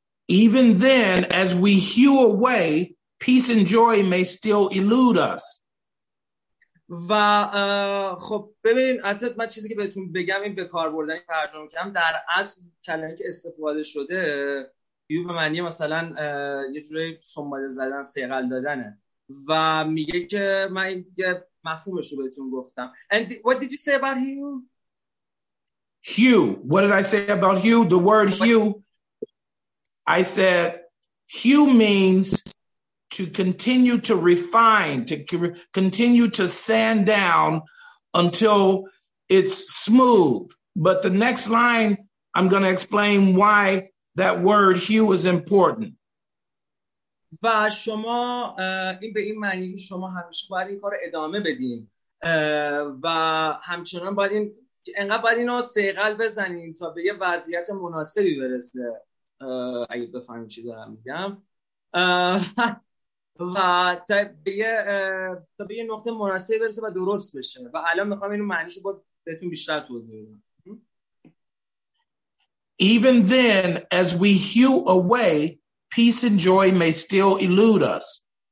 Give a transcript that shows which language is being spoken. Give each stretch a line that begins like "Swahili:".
English: Even then as we hew away peace and joy may still elude us.
Persian: و خب ببین اصلا من چیزی که بهتون بگم این به کار بردن این ترجمه کنم در اصل کلمه که استفاده شده هیو به معنی مثلا یه جوری سنباده زدن سیغل دادنه و میگه که من یه مفهومش رو بهتون گفتم.
English: And what did you say about Hugh? Hugh. What did I say about Hugh? The word Hugh. I said Hugh means to continue to refine, to continue to sand down until it's smooth. But the next line, I'm going to explain why that word Hugh is important.
Persian: و شما این به این معنی شما همیشه باید این کار ادامه بدین و همچنان باید این انقدر باید اینو سیقل بزنیم تا به یه وضعیت مناسبی برسه، اگه بفهمیم چی دارم میگم، و تا به یه نقطه مناسبی برسه و درست بشه. و الان میخوام اینو معنیشو با بهتون بیشتر توضیح بدم.
English: Even then, as we hew away, peace and joy may still elude us.